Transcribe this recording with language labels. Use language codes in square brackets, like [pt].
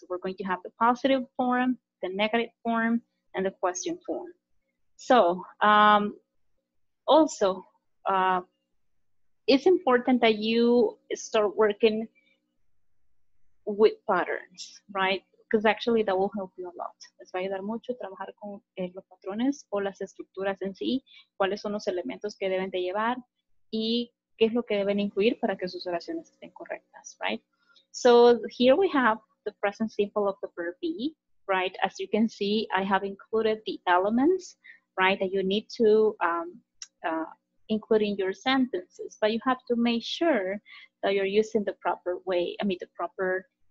[en] So we're going to have the positive form, the negative form, and the question form. So, also, it's important that you start working with patterns, right? Because actually that will help you a lot. [es] Les va a ayudar mucho trabajar con los patrones o las estructuras en sí, cuáles son los elementos que deben de llevar y qué es lo que deben incluir para que sus oraciones estén correctas, right? [en] So, here we have the present simple of the verb be, right? As you can see, I have included the elements, right, that you need to include in your sentences, but you have to make sure that you're using the proper way, I mean, the proper